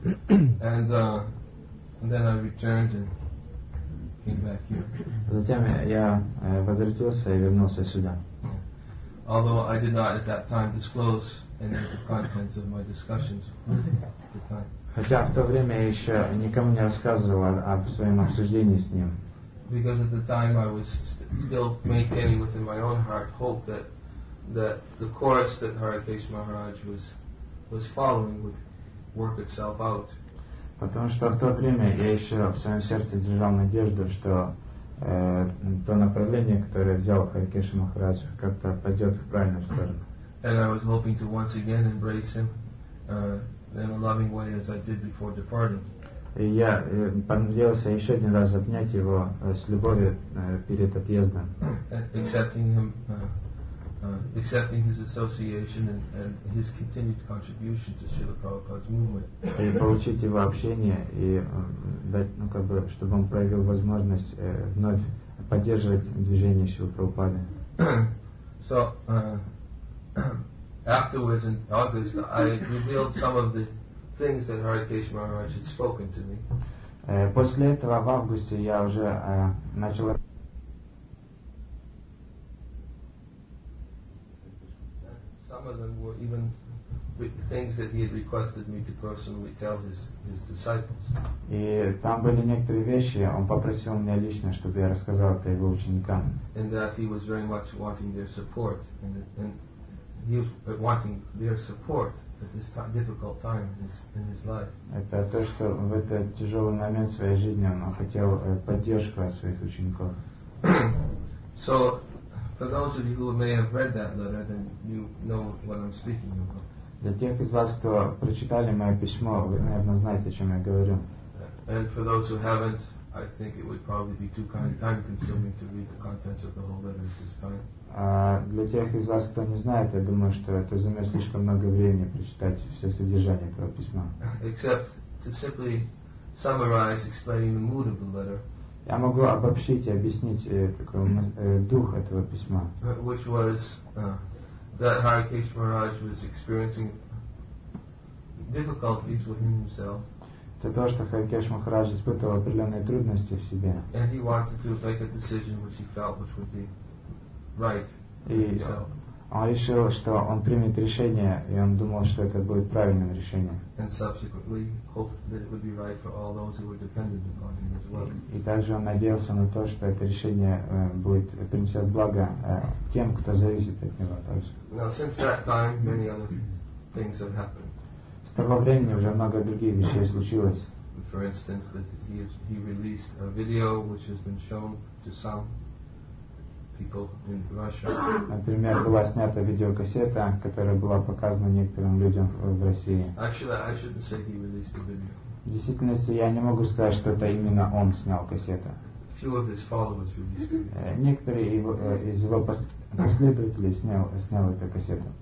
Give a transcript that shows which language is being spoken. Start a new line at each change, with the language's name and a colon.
English: And then I returned and came back here.
Russian: Затем я возвратился и вернулся сюда.
English: Although I did not at that time disclose any of the contents of my discussions at the time.
Russian: Хотя в то время я еще никому не рассказывал об своем обсуждении с ним.
English: Because at the time I was still maintaining within my own heart hope that the course that Hare Krishna Maharaj was following would work itself out.
Russian: Потому что в то время я еще в своем сердце держал надежду, что то направление, которое взял Хари Кеша Махарадж, как-то пойдет в правильную сторону.
English: And I was hoping to once again embrace him in a loving way as I did before departing.
Russian: И я понадеялся еще один раз обнять его с любовью перед отъездом.
English: Accepting him, accepting his association and his continued contribution to Srila Prabhupada's movement.
Russian: И получить его общение и дать, ну как бы, чтобы он проявил возможность вновь поддерживать движение Шрила Прабхупады.
English: So afterwards in August I revealed some of the things that Hare Krishna Maharaj had spoken to me.
Russian: После этого в августе я уже начал.
English: Some of them were even things that he had requested me to personally tell his disciples.
Russian: И там были некоторые вещи, он попросил меня лично, чтобы я рассказал это его ученикам.
English: And that he was very much wanting their support, and he was wanting their support at this difficult time in his life.
Russian: Это то, что в этот тяжелый момент своей жизни он хотел поддержку от своих учеников.
English: So. For those of you who may have read that letter, then you know what I'm speaking about.
Russian: Для тех из вас, кто прочитали мое письмо, вы, наверное, знаете, о чем я говорю.
English: And for those who haven't, I think it would probably be too time-consuming to read the contents of the whole letter at this time.
Russian: Для тех из вас, кто не знает, я думаю, что это займет слишком много времени прочитать все содержание этого письма.
English: Except to simply summarize, explaining the mood of the letter.
Russian: Я могу обобщить и объяснить такой дух этого письма.
English: Which was that Hare Krishna Maharaj was experiencing difficulties within himself.
Russian: То, что Хари Кеша Махарадж испытывал определенные трудности в себе.
English: And he wanted to make a decision which he felt which would be right for himself.
Russian: Он решил, что он примет решение, и он думал, что это будет правильным решением.
English: And subsequently hoped that it would be right for all those who were dependent upon him as well.
Russian: И также он надеялся на то, что это решение будет принесет благо тем, кто зависит от него тоже.
English: Now, since that time, many other things have happened.
Russian: С того времени уже много других вещей случилось.
English: For instance, that he released a video which has been shown to some people in Russia.
Russian: Например, была снята видеокассета, которая была показана некоторым людям в России.
English: Actually, I shouldn't say he released the video.
Russian: В действительности, я не могу сказать, что это именно он снял кассету.
English: Few of his followers released it.
Russian: Некоторые из его последователей снял эту кассету.